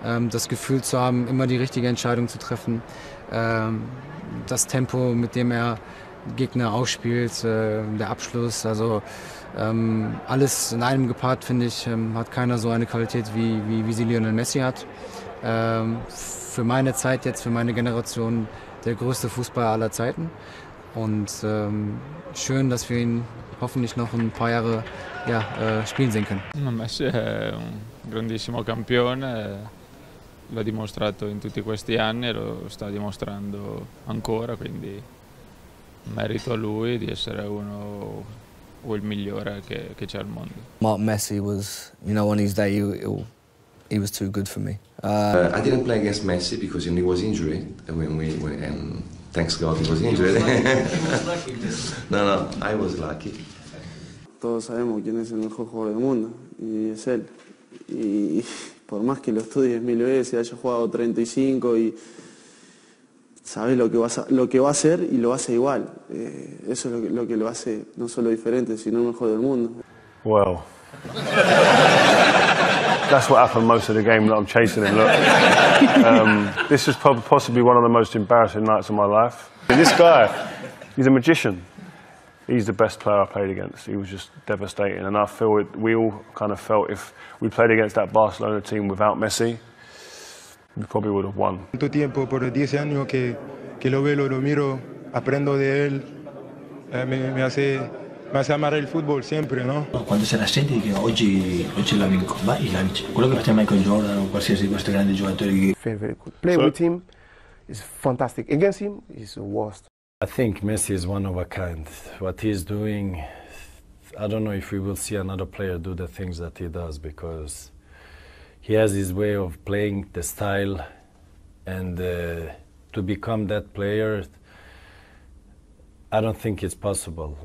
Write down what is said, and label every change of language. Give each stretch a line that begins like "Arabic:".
German: Das Gefühl zu haben, immer die richtige Entscheidung zu treffen. Das Tempo, mit dem er Gegner ausspielt, der Abschluss, also alles in einem gepaart, finde ich, hat keiner so eine Qualität, wie sie Lionel Messi hat. Für meine Zeit jetzt, für meine Generation, der größte Fußballer aller Zeiten. Und schön, dass wir ihn hoffentlich noch ein paar Jahre spielen sehen können.
Italian: Messi è un grandissimo campione, l'ha dimostrato in tutti questi anni e lo sta dimostrando ancora, quindi merito a lui di essere uno o il migliore che c'è al mondo.
English: Mark Messi was, you know, on his day he was too good for me. I didn't play against Messi because he was injured when we were in. Thanks God, he was injured. He was lucky. No, I was lucky.
Spanish: Todos sabemos quién es el mejor jugador del mundo, y es él. Y por más que lo estudies mil veces, haya jugado 35 y sabes lo que va a hacer y lo hace igual. Eso es lo que lo hace no solo diferente, sino el mejor del mundo.
English: Well, that's what happened most of the game that I'm chasing him. Look, this is possibly one of the most embarrassing nights of my life. And this guy, he's a magician. He's the best player I played against. He was just devastating. And I feel it, we all kind of felt if we played against that Barcelona team without Messi, we probably would have won.
Spanish: Tanto tiempo, por 10 años que lo veo, lo miro, aprendo de él, me hace amar el fútbol siempre, ¿no? Cuando se la siente que hoy la vinco, va y la vinco. Creo que va a ser Michael Jordan o cualquier otro grande jugador.
English: Very, very good. Play with him is fantastic. Against him is the worst. I think Messi is one of a kind. What he's doing, I don't know if we will see another player do the things that he does, because he has his way of playing, the style, and to become that player, I don't think it's possible.